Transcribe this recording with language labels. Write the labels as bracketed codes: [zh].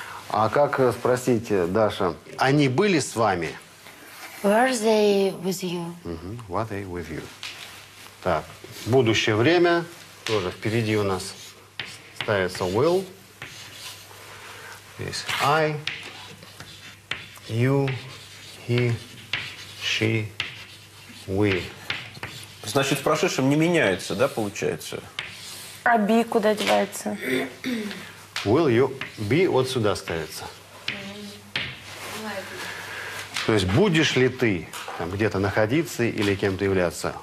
[ru] А как спросить, Даша, они были с вами? [en] Were they with you? Угу. Were they with you? [ru] Так, будущее время, тоже впереди у нас ставится will. Здесь I, you, he, she, we. Значит, в прошедшем не меняется, да, получается? А be куда девается? Will you be вот сюда ставится. То есть будешь ли ты там где-то находиться или кем-то являться?